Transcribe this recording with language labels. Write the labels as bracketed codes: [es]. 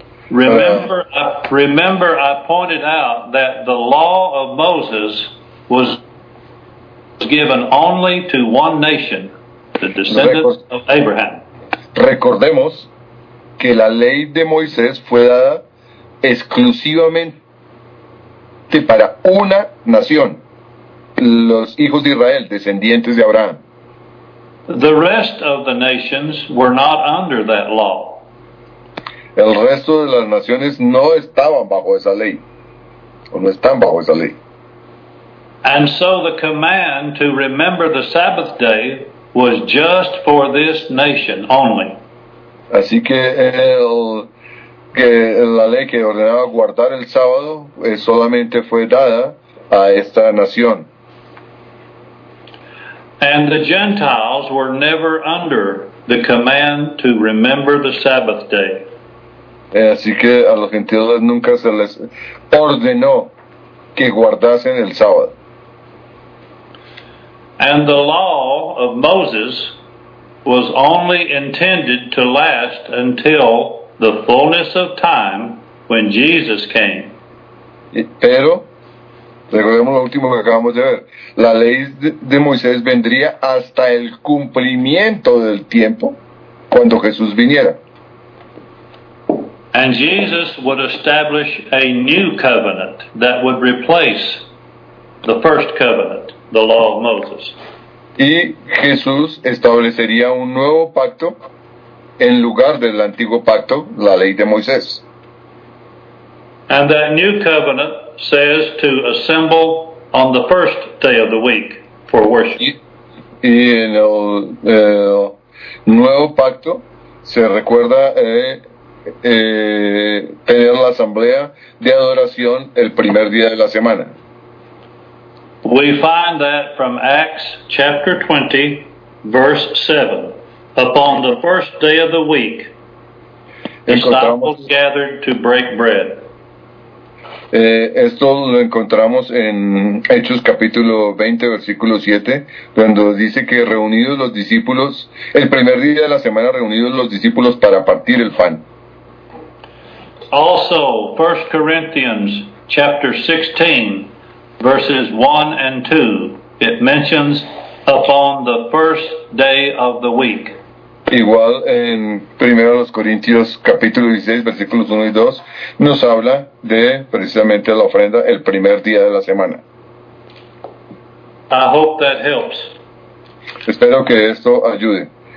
[en] Remember, I pointed out that the law of Moses was given only to one nation, the descendants of Abraham. [es] Recordemos que la ley de Moisés fue dada exclusivamente para una nación, los hijos de Israel, descendientes de Abraham. [en] The rest of the nations were not under that law. [es] El resto de las naciones no estaban bajo esa ley, o no están bajo esa ley. [en] And so the command to remember the Sabbath day was just for this nation only. [es] Así que la ley que ordenaba guardar el sábado solamente fue dada a esta nación. [en] And the Gentiles were never under the command to remember the Sabbath day. [es] así que a los gentiles nunca se les ordenó que guardasen el sábado. [en] And the law of Moses was only intended to last until the fullness of time when Jesus came. [es] Pero recordemos lo último que acabamos de ver. La ley de Moisés vendría hasta el cumplimiento del tiempo cuando Jesús viniera. [en] And Jesus would establish a new covenant that would replace the first covenant, the law of Moses. [es] Y Jesús establecería un nuevo pacto en lugar del antiguo pacto, la ley de Moisés. [en] And that new covenant says to assemble on the first day of the week for worship. [es] Y en el nuevo pacto se recuerda tener la asamblea de adoración el primer día de la semana. [en] We find that from Acts chapter 20, verse 7. Upon the first day of the week, disciples gathered to break bread. [es] Esto lo encontramos en Hechos capítulo 20, versículo 7, cuando dice que reunidos los discípulos, el primer día de la semana reunidos los discípulos para partir el pan. [en] Also, 1 Corinthians chapter 16, verses 1 and 2, it mentions upon the first day of the week. [es] Igual en 1 Corintios capítulo 16 versículos 1 y 2 nos habla de precisamente la ofrenda el primer día de la semana. [en] I hope that helps. [es] Espero que esto ayude.